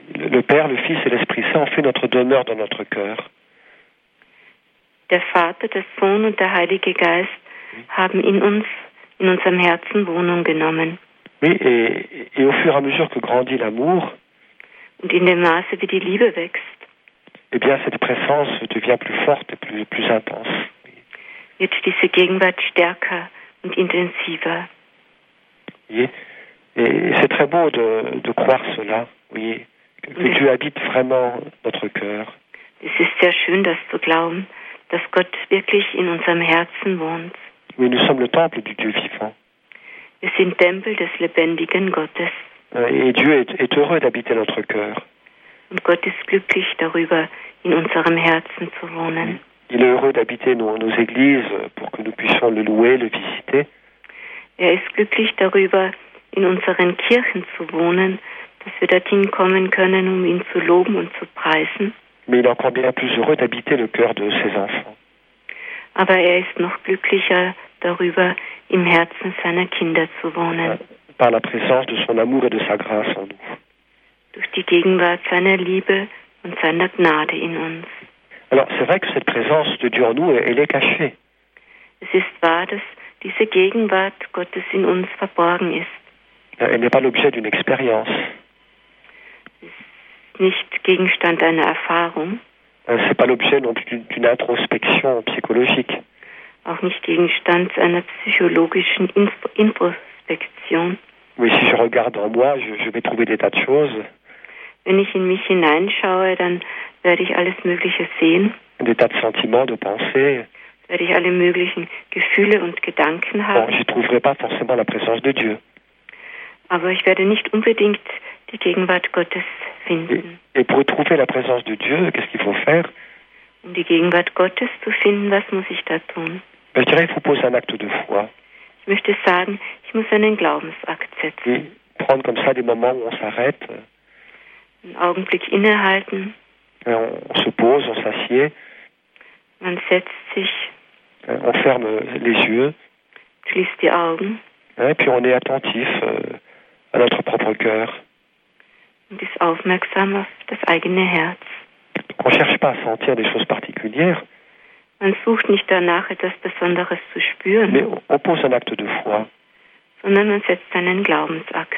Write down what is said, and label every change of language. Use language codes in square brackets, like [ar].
[fr] Le Père, le Fils et l'Esprit Saint ont fait notre demeure dans notre cœur. [de] Der Vater, der Sohn und der Heilige Geist haben in uns, in unserem Herzen Wohnung genommen. [fr] Oui, et au fur et à mesure que grandit l'amour, [de] und in dem Maße, wie die Liebe wächst, [fr] eh bien, cette présence devient plus forte et plus intense. [de] Wird diese Gegenwart stärker und intensiver. [fr] Oui. Et c'est très beau de croire cela, oui, que Dieu habite vraiment notre cœur. [de] Es ist sehr schön, das zu glauben, dass Gott wirklich in unserem Herzen wohnt. [fr] Oui, nous sommes le temple du Dieu vivant. [de] Wir sind Tempel des lebendigen Gottes. [fr] Et Dieu est heureux d'habiter notre cœur. [de] Und Gott ist glücklich darüber, in unserem Herzen zu wohnen. [fr] Il est heureux d'habiter nos églises pour que nous puissions le louer, le visiter. [de] Er ist glücklich darüber, in unseren Kirchen zu wohnen, dass wir dorthin kommen können, um ihn zu loben und zu preisen. [fr] mais il est encore bien plus heureux d'habiter le cœur de ses enfants. [de] Aber er ist noch glücklicher darüber, im Herzen seiner Kinder zu wohnen. [fr] Par la présence de son amour et de sa grâce en nous. [de] Durch die Gegenwart seiner Liebe und seiner Gnade in uns. [fr] Alors, c'est vrai que cette présence de Dieu en nous, elle est cachée. [de] Es ist wahr, dass diese Gegenwart Gottes in uns verborgen ist. [fr] Elle n'est pas l'objet d'une expérience. [de] Nicht Gegenstand einer Erfahrung. [fr] C'est pas l'objet non plus d'une introspection psychologique. [de] Auch nicht Gegenstand einer psychologischen Introspektion. [fr] Oui, si je regarde en moi, je vais trouver des tas de choses. [de] Wenn ich in mich hineinschaue, dann werde ich alles Mögliche sehen. [fr] Des tas de sentiments, de pensées. [de] Werde ich alle möglichen Gefühle und Gedanken haben. [fr] Bon, j'y trouverai pas forcément la présence de Dieu. [de] Aber ich werde nicht unbedingt die Gegenwart Gottes finden. [fr] Et pour trouver la présence de Dieu, qu'est-ce qu'il faut faire? [de] Um die Gegenwart Gottes zu finden, was muss ich da tun? [fr] Ben, je dirais, il faut poser un acte de foi. [de] Ich möchte sagen, ich muss einen Glaubensakt setzen. [fr] Et prendre comme ça des moments où on s'arrête. [de] Einen Augenblick innehalten. [fr] Et on se pose, on s'assied. [de] Man setzt sich. [fr] On ferme les yeux. [de] Schließt die Augen. [fr] Et puis on est attentif à notre propre cœur. [de] Und ist aufmerksam auf das eigene Herz. [fr] On ne cherche pas à sentir des choses particulières. [de] Man sucht nicht danach, etwas Besonderes zu spüren. [fr] Mais on pose un acte de foi. [de] Sondern man setzt einen Glaubensakt.